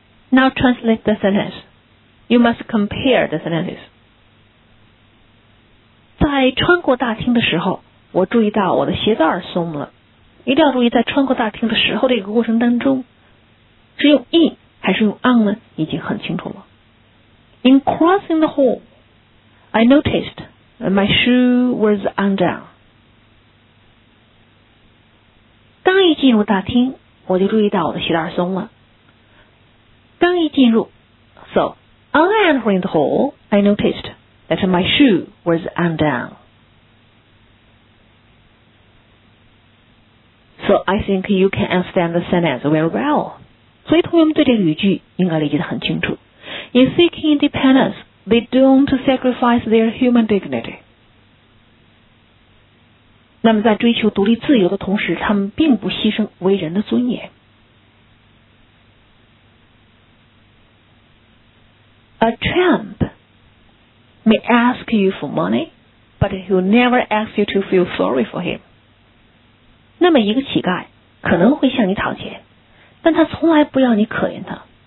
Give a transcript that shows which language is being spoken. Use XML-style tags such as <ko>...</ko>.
<en>Now translate the sentence. You must compare the sentences.</en> <zh>在穿过大厅的时候，我注意到我的鞋带松了。一定要注意，在穿过大厅的时候的一个过程当中，是用 in 还是用 on 呢？已经很清楚了。</zh> <en>In crossing the hall, I noticed my shoe was undone.</en> <zh>刚一进入大厅，我就注意到我的鞋带松了。刚一进入</zh> <en>，So on entering the hall, I noticed that my shoe was undone. So I think you can understand the sentence very well.</en> <zh>所以同学们对这个语句应该理解得很清楚。</zh> <en>In seeking independence, they don't sacrifice their human dignity.</en> <zh>那么在追求独立自由的同时，他们并不牺牲为人的尊严。</zh> <en>A tramp may ask you for money, but he'll never ask you to feel sorry for him.</en> <zh>那么一个乞丐可能会向你讨钱，但他从来不要你可怜他。</zh>